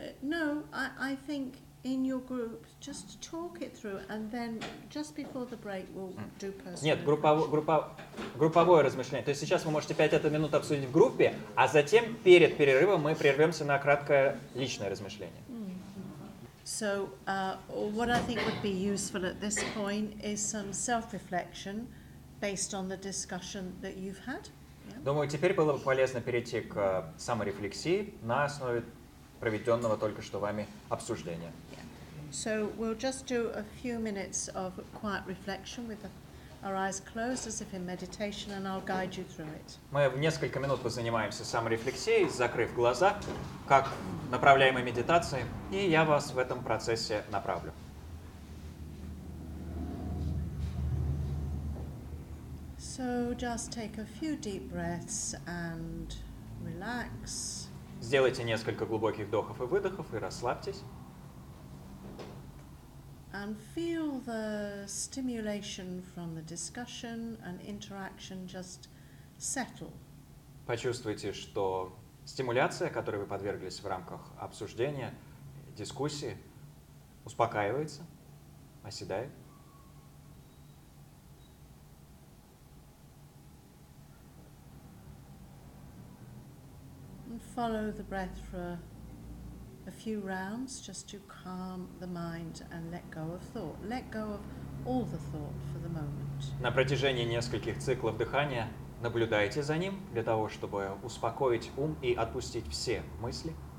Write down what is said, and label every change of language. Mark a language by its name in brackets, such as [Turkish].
[English] No, I think in your group, just talk it through, and then just before the break, we'll do personal. [Russian] Нет, групповое размышление. То есть сейчас вы можете 5 минут обсудить в группе, а затем перед перерывом мы прервемся на краткое личное размышление. [English] So, what I think would be useful at this point is some self-reflection based on the discussion that you've had. [Russian] Думаю, теперь было бы полезно перейти к саморефлексии на основе проведенного только что вами обсуждения. [English] So we'll just do a few minutes of quiet reflection with our eyes closed as if in meditation, and I'll guide you through it. [Russian] Мы в несколько минут позанимаемся саморефлексией, закрыв глаза, как направляемой медитацией, и я вас в этом процессе направлю. [English] So just take a few deep breaths and relax. [Russian] Сделайте несколько глубоких вдохов и выдохов и расслабьтесь. [English] And feel the stimulation from the discussion and interaction just settle. [Russian] Почувствуйте, что стимуляция, которой вы подверглись в рамках обсуждения, дискуссии, успокаивается, оседает. [English] Follow the breath for a few rounds just to calm the mind and let go of thought. Let go of all the thought for the moment. [Russian] На протяжении нескольких циклов дыхания наблюдайте за ним для того, чтобы успокоить ум и отпустить все мысли.